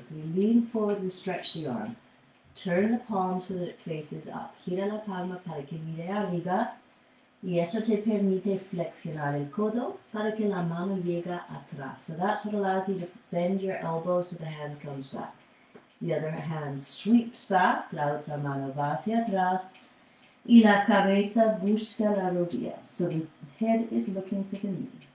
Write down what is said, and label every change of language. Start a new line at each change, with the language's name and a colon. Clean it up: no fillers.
English: So we lean forward and stretch the arm. Turn the palm so that it faces up.
Spanish: Gira la palma para que mire arriba. Y eso te permite flexionar el codo para que la mano llegue atrás.
English: So that's what allows you to bend your elbow so the hand comes back. The other hand sweeps back,
Spanish: la otra mano va hacia atrás. Y la cabeza busca la rodilla.
English: So the head is looking for the knee.